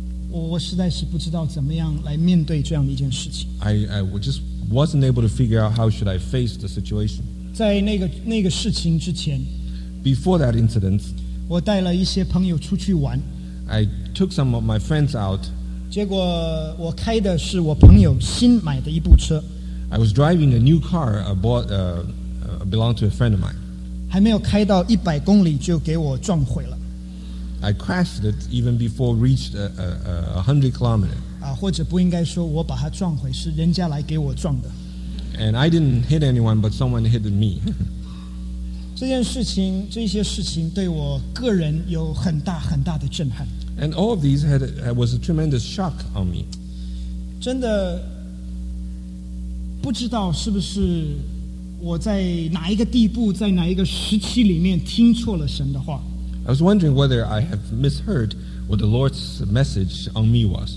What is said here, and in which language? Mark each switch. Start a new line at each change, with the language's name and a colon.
Chinese: 我实在是不知道怎么样来面对这样的一件事情。
English: I just wasn't able to figure out how should I face the situation.
Chinese: 在那个事情之前，
English: before that incident,
Chinese: 我带了一些朋友出去玩。
English: I took some of my friends out.
Chinese: 结果我开的是我朋友新买的一部车。
English: I was driving a new car, bought belonged to a friend of mine.
Chinese: 还没有开到100公里就给我撞毁了。
English: I crashed it even before reached a 100 kilometers.
Chinese: 或者不应该说我把它撞毁，是人家来给我撞的。
English: And I didn't hit anyone, but someone hit me.
Chinese: 这些事情对我个人有很大很大的震撼。
English: And all of these was a tremendous shock on me.
Chinese: 真的不知道是不是我在哪一个地步，在哪一个时期里面听错了神的话。
English: I was wondering whether I have misheard what the Lord's message on me was.